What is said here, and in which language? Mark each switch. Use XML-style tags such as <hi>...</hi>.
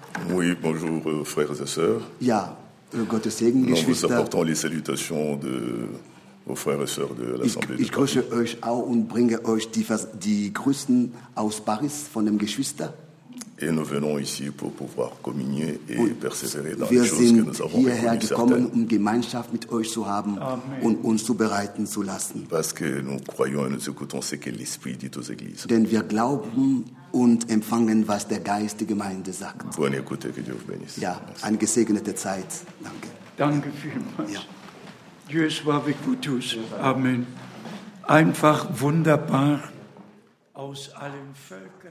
<fr>Oui, bonjour, frères et sœurs.</fr> <de>Ja, Gottes Segen,</de> <fr>nous vous apportons les salutations de vos frères et sœurs de l'Assemblée.</fr> <de>Ich grüße euch auch und bringe euch die Grüßen aus Paris von dem Geschwister.</de> <fr>Et nous venons ici pour pouvoir communier et persévérer dans</fr> <de>wir</de> <fr>les choses que nous avons reconnues certaines.</fr> <de>Gekommen, Gemeinschaft mit euch zu haben und uns zubereiten zu lassen.</de> <fr>Parce que nous croyons et nous écoutons ce que l'Esprit dit aux églises.</fr> <de>Denn wir glauben und empfangen, was der Geist die Gemeinde sagt.</de> <fr>Bonne écoute, que Dieu vous bénisse.</fr> <de>Ja, eine gesegnete Zeit. Danke. Danke vielmals. Ja.</de> <fr>Dieu soit avec vous tous. Amen.</fr> <de>Einfach wunderbar aus allen Völkern.</de>